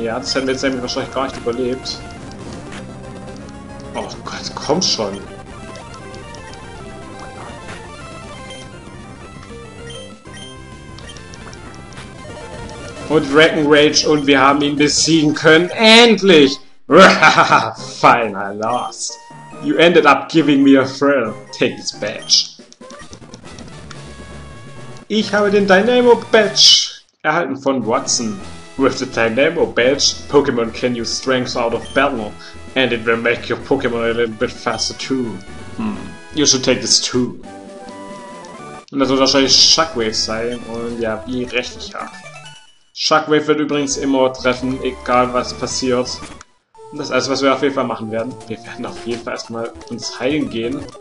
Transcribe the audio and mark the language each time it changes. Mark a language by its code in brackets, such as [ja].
[de] Ja, das hätten wir jetzt nämlich wahrscheinlich gar nicht überlebt. Oh Gott, komm schon! Und Dragon Rage und wir haben ihn besiegen können! Endlich! [en] Fine, I lost! You ended up giving me a thrill! Take this badge! [de] Ich habe den Dynamo Badge erhalten von Watson. [en] With the Dynamo Badge, Pokémon can use strength out of battle. And it will make your Pokémon a little bit faster too. You should take this too. [de] Und das wird wahrscheinlich Shockwave sein. Und ja, wie recht ich habe. Shockwave wird übrigens immer treffen, egal was passiert. Und das ist alles, was wir auf jeden Fall machen werden. Wir werden auf jeden Fall erstmal uns heilen gehen.